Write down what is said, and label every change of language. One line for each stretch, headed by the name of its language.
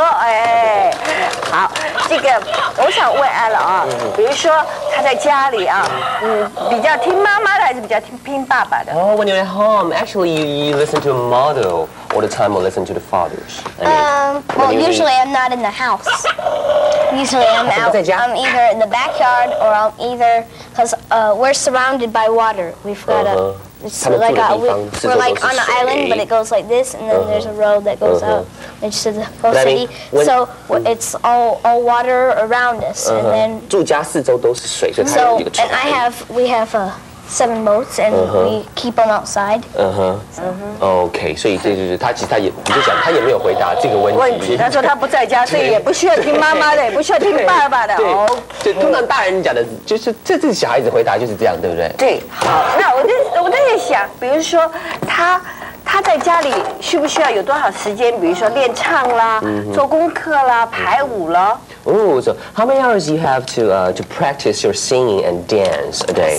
Chinese: 哎，好，这个我想问艾伦啊，比如说他在家里啊，比较听妈妈的还是比较听爸爸的？
English: When you're at home, actually you listen to mother all the time or listen to the fathers? Well, usually I'm not in the house. Usually I'm out. I'm either in the backyard or I'm either because we're surrounded by water. We've got a. We're like on an island, but it goes like this, and then there's a road that goes out into the whole city. So it's all water around us, and then
Chinese: 住家四周都是水，所以它有一个船。
English: And we have seven boats, and we keep them outside.
Chinese: Okay, 所以对对对，他其实他也你就讲，他也没有回答这个问题。问题，他说他不在家，所以也不需要听妈妈的，也不需要听爸爸的。对，就通常大人讲的，就是这是小孩子回答就是这样，对不对？对，好，那我在想，比如说他在家里需不需要有多少时间，比如说练唱啦、做功课啦、排舞了。
English: Oh, so how many hours do you have to practice your singing and dance a day?